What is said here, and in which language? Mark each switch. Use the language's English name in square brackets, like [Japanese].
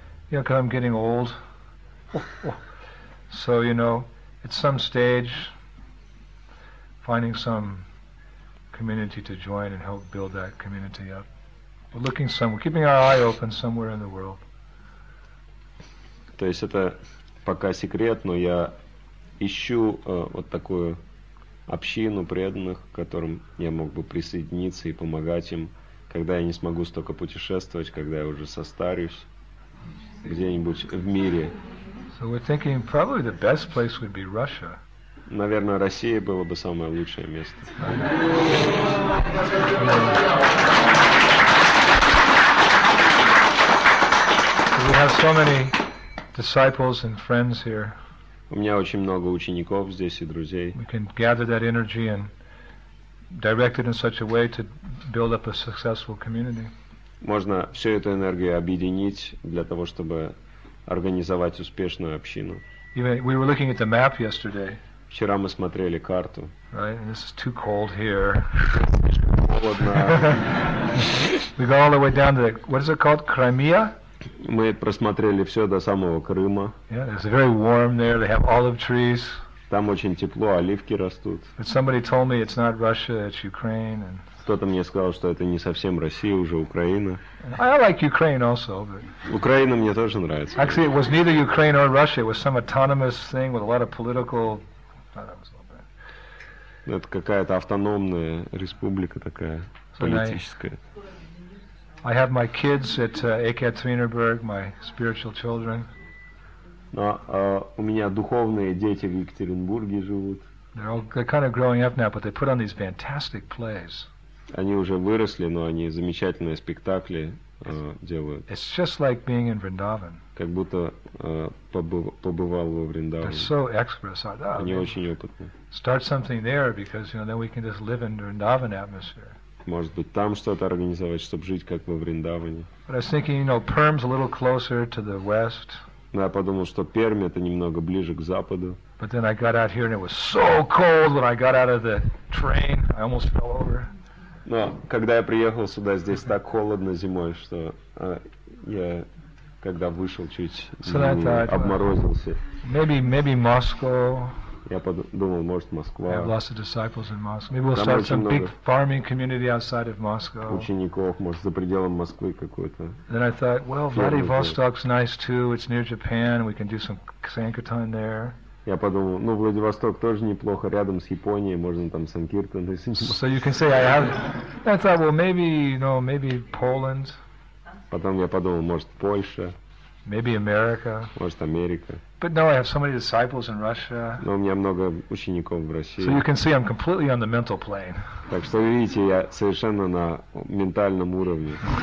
[English] You know, because I'm getting old. So, you know, at some stage, finding some community to join and help build that community up. We're looking somewhere, keeping our eye open somewhere in the world. [Russian] То есть это пока секрет, но я ищу вот такую общину преданных, к которым я мог бы присоединиться и помогать им, когда я не смогу столько путешествовать, когда я уже состарюсь где-нибудь в мире. [English] So we're thinking probably the best place would be Russia. [Russian] Наверное, Россия было бы самое лучшее место. [English] We have so many disciples and friends here. [Russian] У меня очень много учеников здесь и друзей. [English] We can gather that energy and direct it in such a way to build up a successful community. [Russian] Можно всю эту энергию объединить для того, чтобы организовать успешную общину. [English] We were looking at the map yesterday. [Russian] Вчера мы смотрели карту. [English] Right, this is too cold here. [Russian] Холодно. [English] We go all the way down to the, what is it called, Crimea? [Russian] Мы просмотрели все до самого Крыма. [English] Yeah, it's very warm there. They have olive trees. [Russian] Там очень тепло, оливки растут. [English] But somebody told me it's not Russia, it's Ukraine. And [Russian] кто-то мне сказал, что это не совсем Россия, уже Украина. [English] I like Ukraine also, but [Russian] Украина мне тоже нравится. [English] Actually, it was neither Ukraine or Russia. It was some autonomous thing with a lot of political. [Russian] Это какая-то автономная республика такая, [English] so [Russian] политическая. [English] I have my kids at Ekaterinburg, my spiritual children. [Russian] Но у меня духовные дети в Екатеринбурге живут. [English] They're kind of growing up now, but they put on these fantastic plays. [Russian] Они уже выросли, но они замечательные спектакли делают. [English] It's just like being in Vrindavan. [Russian] Как будто побывал во Вриндаване. [English] They're so expert. Oh, [Russian] они очень опытные. [English] Start something there, because you know, then we can just live in the Vrindavan atmosphere. [Russian] Может быть, там что-то организовать, чтобы жить как во Вриндаване. [English] But I was thinking, you know, Perm's a little closer to the west. [Russian] Но я подумал, что Пермь — это немного ближе к западу. [English] But then I got out here and it was so cold when I got out of the train, I almost fell over. [Russian] Но когда я приехал сюда, здесь так холодно зимой, что я, когда вышел, чуть обморозился. [English] Maybe Moscow. [Russian] Я подумал, может, Москва. [English] I've lost the disciples in Moscow. Maybe we'll start some big farming community outside of Moscow. [Russian] Учеников, может, за пределом Москвы какой-то. [English] Then I thought, well, Vladivostok's nice too. It's near Japan. We can do some sankirtan there. [Russian] Я подумал, ну, Владивосток тоже неплохо, рядом с Японией, можно там санкиртан. [English] So you can say, I thought, well, maybe, you know, maybe Poland. [Russian] Потом я подумал, может, Польша. [English] Maybe America. [Russian] Может, Америка. [English] But no, I have so many disciples in Russia. [Russian] Но у меня много учеников в России. [English] So you can see, I'm completely on the mental plane. [Russian] Так что, видите, я совершенно на ментальном уровне.